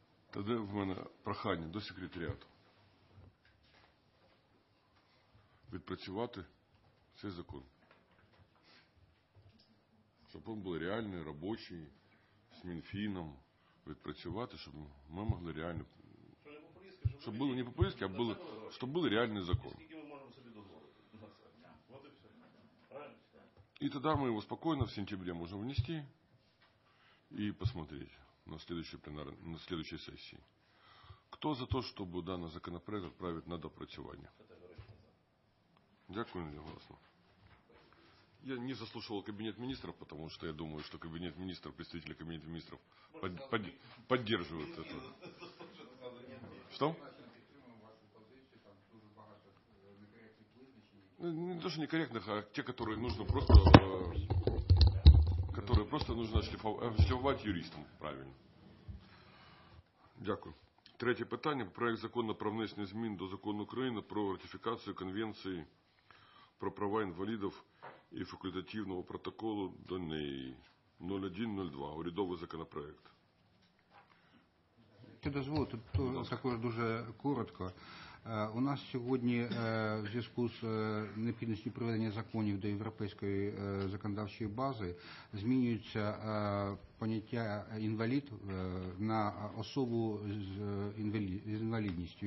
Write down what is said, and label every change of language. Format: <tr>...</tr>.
<uk>Тоді в мене прохання до секретаріату відпрацювати цей закон, щоб він був реальний, робочий, з Мінфіном, відпрацювати, щоб ми могли реально, щоб було не популістське, а було, щоб був реальний закон. І тоді ми його спокійно в сентябрі можемо внести і посмотрети.</uk> <ru>На следующей пленарной, на следующей сессии. Кто за то, чтобы данный законопроект отправить на допрацювание?</ru> <uk>Дякую,</uk> <ru>Илья Власовна. Я не заслушивал кабинет министров, потому что я думаю, что кабинет министров, представители кабинета министров поддерживают это. Что? Не то, что некорректных, а те, которые нужно просто... Которые просто нужно шлифовать юристам, правильно.</ru> <uk>Дякую. Третє питання. Проект закону про внесення змін до закону України про ратифікацію конвенції про права інвалідів і факультативного протоколу до неї. 0102. Урядовий законопроект. Ти дозволите, також дуже коротко. У нас сьогодні в зв'язку з необхідністю проведення законів до європейської законодавчої бази змінюється поняття інвалід на особу з інвалідністю.</uk>